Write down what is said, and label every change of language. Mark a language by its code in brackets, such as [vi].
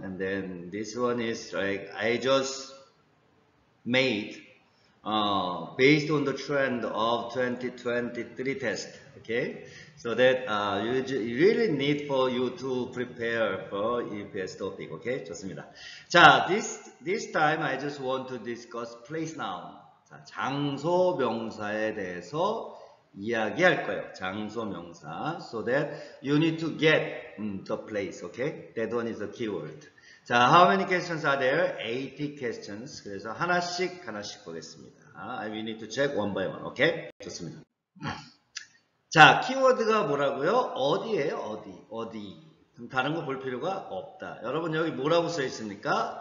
[en] And then this one is like I just made based on the trend of 2023 test. Okay, so that you really need for you to prepare for EPS topic. Okay, [ko] 좋습니다. [en] 자, this time I just want to discuss place noun. [ko] 자, 장소 명사에 대해서 이야기할 거예요. 장소 명사. [en] So that you need to get the place. Okay, that one is the keyword. 자, how many questions are there? 80 questions. [ko] 그래서 하나씩 하나씩 보겠습니다. [en] We need to check one by one. [ko] 오케이? 좋습니다. 자, 키워드가 뭐라고요? 어디예요? 어디? 어디? 그럼 다른 거볼 필요가 없다. 여러분 여기 뭐라고 써 있습니까?